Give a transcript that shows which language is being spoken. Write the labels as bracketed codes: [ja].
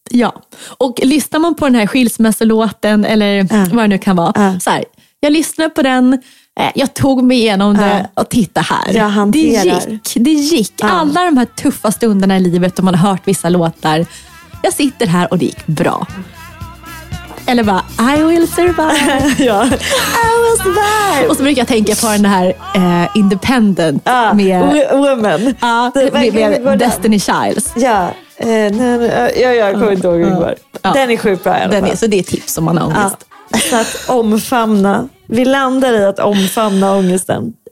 [sv] Ja, och lyssnar man på den här skilsmässolåten, eller vad det nu kan vara. Så här, jag lyssnade på den, jag tog mig igenom det, och titta här. Jag hanterar. Det gick. Alla de här tuffa stunderna i livet, om man har hört vissa låtar. Jag sitter här och det gick bra. Eller bara, [en] I will survive. [sv] Ja. [en] I will survive. [sv] Och så brukar jag tänka på den här independent med... [en] Woman. [sv] Med Destiny Childs. Ja, jag kommer inte ihåg igår. Den är sjukt bra i alla fall. Så det är tips om man har ångest. Så att omfamna. Vi landar i att omfamna ångesten.